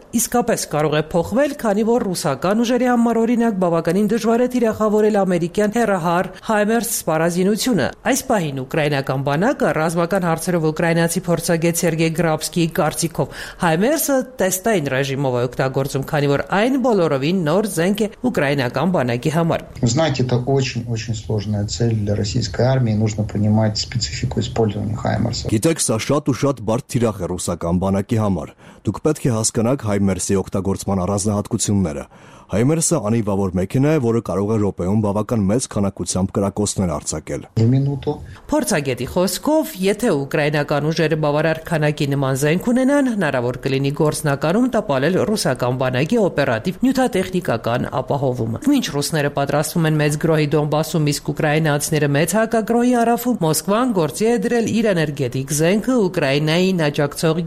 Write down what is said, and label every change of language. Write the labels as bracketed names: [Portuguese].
[Armenian] իսկապես կարող է փոխվել, քանի որ ռուսական ուժերի համար, օրինակ, բավականին դժվար է թիրախավորել ամերիկյան հեռահար Հայմերս սպառազինությունը։ Այս պահին ուկրաինական բանակը ռազմական հարցերով ուկրաինացի փորձագետ Սերգեյ Գրաբսկիի կարծիքով Հայմերսը տեստային ռեժիմով է օգտագործում, քանի որ այն բոլորովին նոր զենք է ուկրաինական բանակի համար։ [Russian] Знаете, это очень-очень сложная цель для российской армии, нужно понимать специфику использования Хаймерса. [Armenian] Գիտեք, սա շատ ու շատ բարդ թիրախ է ռուսական բանակի համար։ Դուք պետք է հասկանաք Հայմերսի օգտագործման առանձնահատկությունները։ Հայմերսը անիվավոր մեքենա է, որը կարող է ռոպեում բավական մեծ քանակությամբ կրակոցներ արձակել։ Փորձագետի խոսքով, եթե ուկրաինական ուժերը բավարար քանակի նման զենք ունենան, հնարավոր կլինի գործնականում տապալել ռուսական բանակի օպերատիվ նյութատեխնիկական ապահովումը։ Մինչ ռուսները պատրաստվում են մեծ գրոհի Դոնբասում, իսկ ուկրաինացիները մեծ հակագրոհի առաջում, Մոսկվան գործի է դրել իր էներգետիկ զենքը Ուկրաինային աջակցող